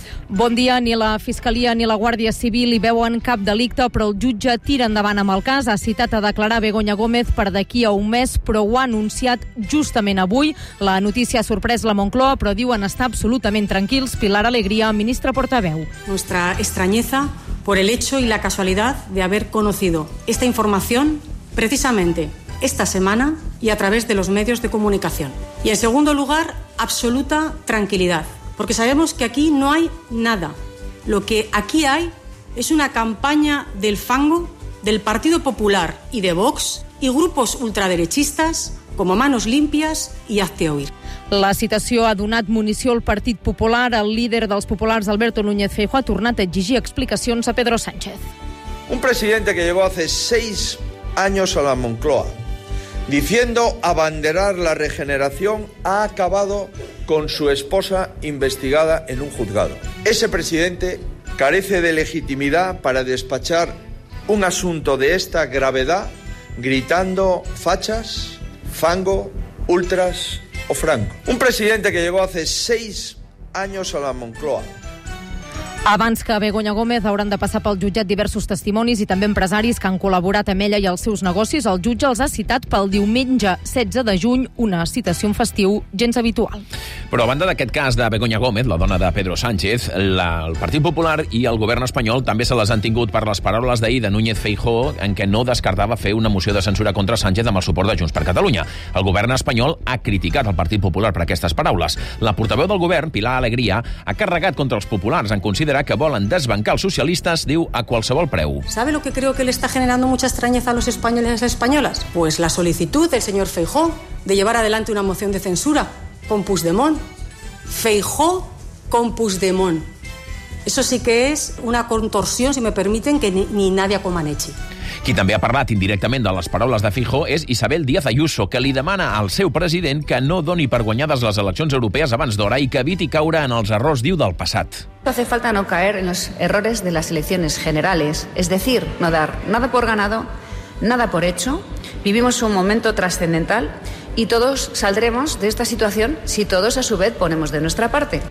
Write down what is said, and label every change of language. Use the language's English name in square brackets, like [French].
[Catalan] Bon dia. Ni la Fiscalia ni la Guàrdia Civil hi veuen cap delicte, però el jutge tira endavant amb el cas. Ha citat a declarar Begoña Gómez per d'aquí a un mes, però ho ha anunciat justament avui. La notícia s'ha sorprès la Moncloa, però diuen estar absolutament tranquils. Pilar Alegría, ministra portaveu. [Spanish] Nuestra extrañeza por el hecho y la casualidad de haber conocido esta información precisamente esta semana y a través de los medios de comunicación. Y en segundo lugar, absoluta tranquilidad, porque sabemos que aquí no hay nada. Lo que aquí hay es una campaña del fango del Partido Popular y de Vox y grupos ultraderechistas como Manos Limpias y Hazte Oír. [Catalan] La citació ha donat munició al Partit Popular. El líder dels populars, Alberto Núñez Feijóo, ha tornat a exigir explicacions a Pedro Sánchez. [Spanish] Un presidente que llegó hace 6 años a la Moncloa diciendo abanderar la regeneración ha acabado con su esposa investigada en un juzgado. Ese presidente carece de legitimidad para despachar un asunto de esta gravedad gritando fachas, fango, ultras o Franco. Un presidente que llegó hace 6 años a la Moncloa. [Catalan] Abans que Begoña Gómez, hauran de passar pel jutjat diversos testimonis i també empresaris que han col·laborat amb ella i els seus negocis. El jutge els ha citat pel diumenge 16 de juny, una citació en festiu gens habitual. Però a banda d'aquest cas de Begoña Gómez, la dona de Pedro Sánchez, el Partit Popular i el govern espanyol també se les han tingut per les paraules d'ahir de Núñez Feijóo, en què no descartava fer una moció de censura contra Sánchez amb el suport de Junts per Catalunya. El govern espanyol ha criticat el Partit Popular per aquestes paraules. La portaveu del govern, Pilar Alegría, ha carregat contra els populars en considerar que volen desbancar els socialistes, diu, a qualsevol preu. [Spanish] ¿Sabe lo que creo que le está generando mucha extrañeza a los españoles y las españolas? Pues la solicitud del señor Feijóo de llevar adelante una moción de censura con Puigdemont. Feijóo con Puigdemont. Eso sí que es una contorsión, si me permiten, que ni nadie coman eche. [Catalan] Qui també ha parlat indirectament de les paraules de Feijóo és Isabel Díaz Ayuso, que li demana al seu president que no doni per guanyades les eleccions europees abans d'hora i que eviti caure en els errors, diu, del passat. [Spanish] Hace falta no caer en los errores de las elecciones generales, es decir, no dar nada por ganado, nada por hecho. Vivimos un momento trascendental y todos saldremos de esta situación si todos a su vez ponemos de nuestra parte.